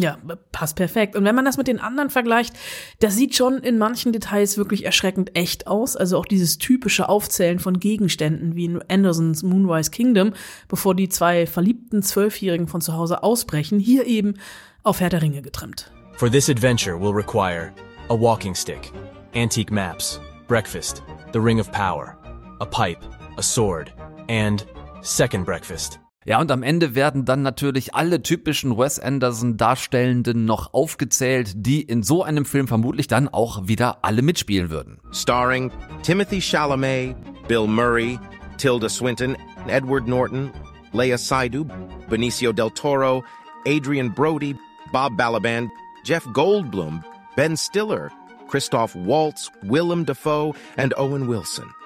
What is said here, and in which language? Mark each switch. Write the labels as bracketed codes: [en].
[de] Ja, passt perfekt. Und wenn man das mit den anderen vergleicht, das sieht schon in manchen Details wirklich erschreckend echt aus. Also auch dieses typische Aufzählen von Gegenständen wie in Andersons Moonrise Kingdom, bevor die zwei verliebten 12-Jährigen von zu Hause ausbrechen, hier eben auf Herr der Ringe getrimmt. [en] For this adventure will require a walking stick, antique maps, breakfast, the ring of power, a pipe, a sword and second breakfast. [de] Ja, und am Ende werden dann natürlich alle typischen Wes Anderson Darstellenden noch aufgezählt, die in so einem Film vermutlich dann auch wieder alle mitspielen würden. [en] Starring Timothy Chalamet, Bill Murray, Tilda Swinton, Edward Norton, Lea Seydoux, Benicio del Toro, Adrian Brody, Bob Balaban, Jeff Goldblum, Ben Stiller, Christoph Waltz, Willem Dafoe and Owen Wilson.